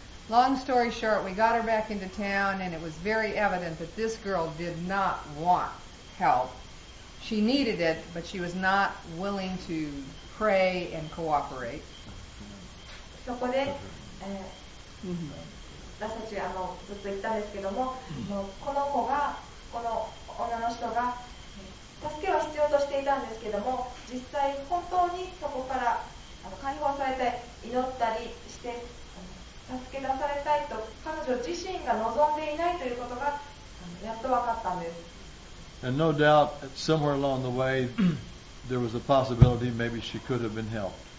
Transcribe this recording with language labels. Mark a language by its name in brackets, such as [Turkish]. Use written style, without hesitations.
[English] Long story short, we got her back into town, and it was very evident that this girl did not want help. She needed it, but she was not willing to pray and cooperate. [Japanese] そこで、私たちはずっと言ったんですけども、この子が、この女の人が、助けを必要としていたんですけども、実際本当にそこから解放されて祈ったりして、助け出されたいと彼女自身が望んでいないということがやっと分かったんです。 [English] And no doubt, somewhere along the way, there was a possibility maybe she could have been helped.